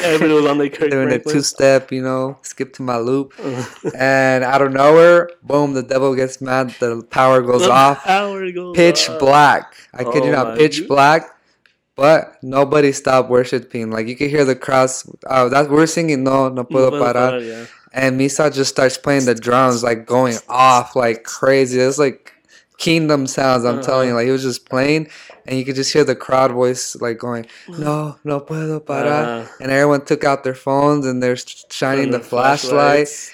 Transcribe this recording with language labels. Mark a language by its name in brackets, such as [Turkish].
[English] Everyone was on the Kirk Franklin. Doing a two-step, you know, skip to my loop. And out of nowhere, boom, the devil gets mad. The power goes off. Pitch black. I kid you not, pitch black. But nobody stopped worshiping. Like, you could hear the cross. We're singing, [Spanish] no puedo parar. [English] Yeah. And Misa just starts playing the drums, like, going off like crazy. It's like kingdom sounds, I'm telling you. Like, he was just playing, and you could just hear the crowd voice, like, going, [Spanish] no puedo parar. [English] And everyone took out their phones, and they're shining the flashlight.